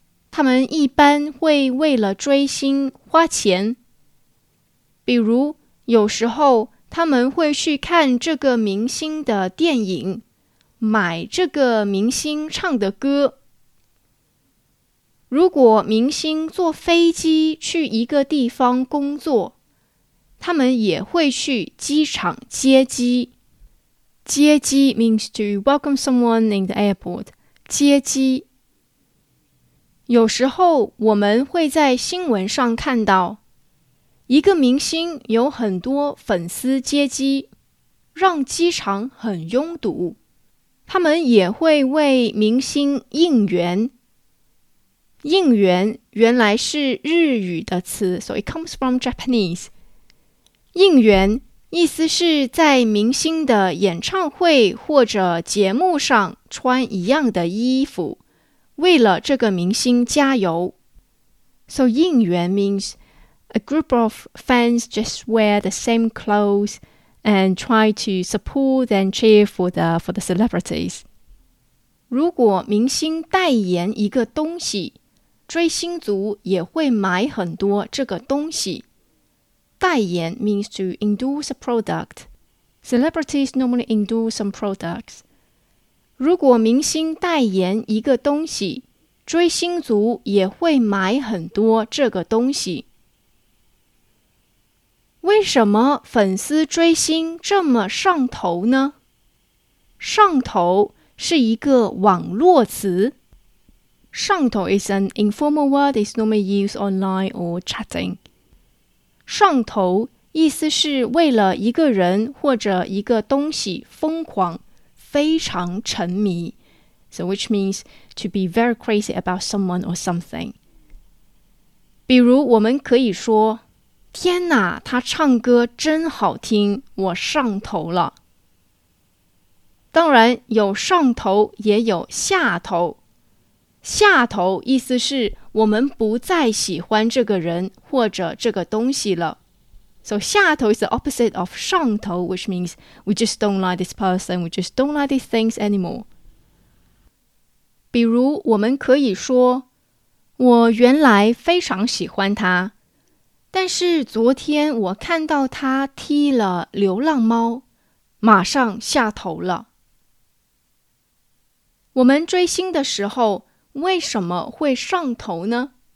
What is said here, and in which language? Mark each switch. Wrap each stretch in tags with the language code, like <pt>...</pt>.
<zh>他们一般会为了追星花钱，比如有时候他们会去看这个明星的电影，买这个明星唱的歌。如果明星坐飞机去一个地方工作，他们也会去机场接机。</zh> <en>接机 means to welcome someone in the airport.</en> <zh>接机。有时候我们会在新闻上看到，一个明星有很多粉丝接机，让机场很拥堵。他们也会为明星应援。应援原来是日语的词，</zh> <en>so it comes from Japanese.</en> <zh>应援意思是在明星的演唱会或者节目上穿一样的衣服，为了这个明星加油。</zh> <en>So 应援 means a group of fans just wear the same clothes and try to support and cheer for the celebrities.</en> <zh>如果明星代言一个东西，追星族也会买很多这个东西。</zh> <en>代言 means to endorse a product. Celebrities normally endorse some products.</en> <zh>如果明星代言一个东西，追星族也会买很多这个东西。为什么粉丝追星这么上头呢？上头是一个网络词。</zh> <en>上头 is an informal word, is normally used online or chatting.</en> <zh>上头意思是为了一个人或者一个东西疯狂，非常沉迷。</zh> <en>So which means to be very crazy about someone or something.</en> <zh>比如我们可以说，天哪，他唱歌真好听，我上头了。当然，有上头也有下头。下头意思是我们不再喜欢这个人或者这个东西了。</zh> <en>So 下头 is the opposite of 上头, which means we just don't like this person, we just don't like these things anymore.</en> <zh>比如我们可以说，我原来非常喜欢他，但是昨天我看到他踢了流浪猫，马上下头了。我们追星的时候为什么会上头呢？</zh>